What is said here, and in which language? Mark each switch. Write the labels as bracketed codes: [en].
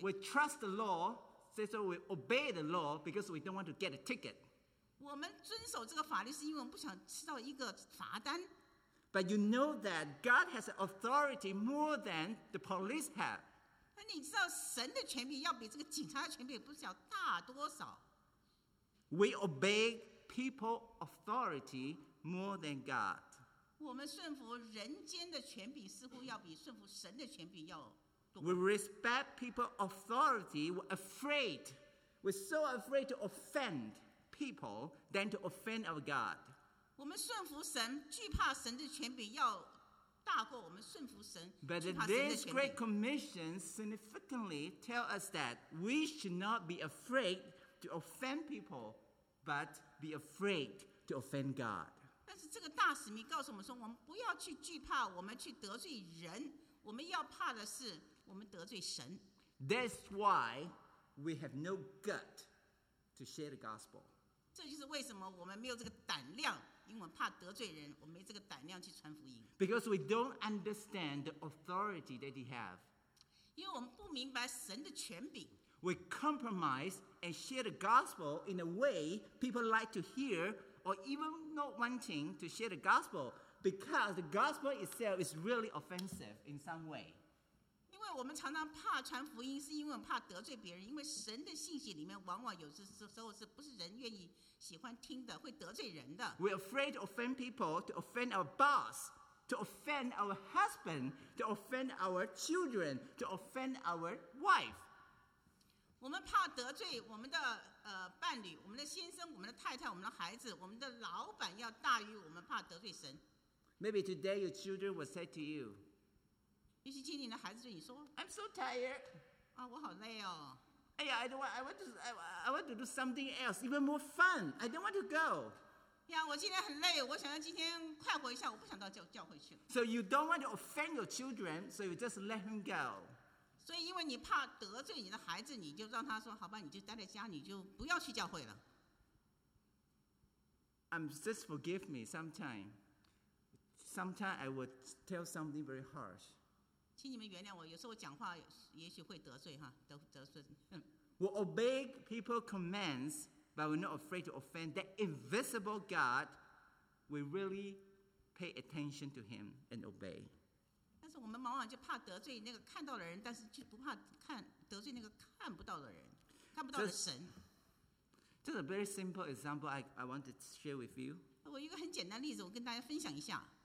[en] We trust the law, so we obey the law because we don't want to get a ticket. [zh] 我们遵守这个法律是因为我们不想吃到一个罚单。 [en] But you know that God has authority more than the police have. [zh] 那你知道神的权柄要比这个警察的权柄不知道大多少。 [en] We obey people authority more than God. [zh] 我们顺服人间的权柄似乎要比顺服神的权柄要多。 [en] We respect people authority. We're afraid. We're so afraid to offend people than to offend our God. [zh] 我们顺服神，惧怕神的权柄要大过我们顺服神。 [en] But this great commission significantly tells us that we should not be afraid to offend people, but be afraid to offend God. [zh] 但是这个大使命告诉我们说，我们不要去惧怕，我们去得罪人，我们要怕的是我们得罪神。 [en] That's why we have no gut to share the gospel. [zh] 这就是为什么我们没有这个胆量。因为怕得罪人，我没这个胆量去传福音。 [en] Because we don't understand the authority that he have. [zh] 因为我们不明白神的权柄。 [en] We compromise and share the gospel in a way people like to hear, or even not wanting to share the gospel because the gospel itself is really offensive in some way. [zh] 因为我们常常怕传福音，是因为怕得罪别人。因为神的信息里面，往往有时候是不是人愿意。喜欢听的会得罪人的。 [en] We're afraid to offend people, to offend our boss, to offend our husband, to offend our children, to offend our wife. [zh] 我们怕得罪我们的伴侣，我们的先生，我们的太太，我们的孩子，我们的老板要大于我们怕得罪神。 [en] Maybe today your children will say to you. [zh] 也许今天你的孩子对你说 [en] ，I'm so tired. [zh] 啊，我好累哦。 [en] 哎呀 I want to do something else, even more fun. I don't want to go. [zh] 呀，我今天很累，我想要今天快活一下，我不想到教会去。 [en] So you don't want to offend your children, so you just let him go. [zh] 所以因为你怕得罪你的孩子，你就让他说好吧，你就待在家，你就不要去教会了。 [en] Just forgive me. Sometimes I would tell something very harsh. [zh] 请你们原谅我，有时候我讲话也许会得罪哈，得罪。 [en] We obey people's commands, but we're not afraid to offend that invisible God. We really pay attention to Him and obey. [zh] 但是我们往往就怕得罪那个看到的人，但是就不怕得罪那个看不到的人，看不到的神。 [en] Just a very simple example I want to share with you. [zh] 我一个很简单的例子，我跟大家分享一下。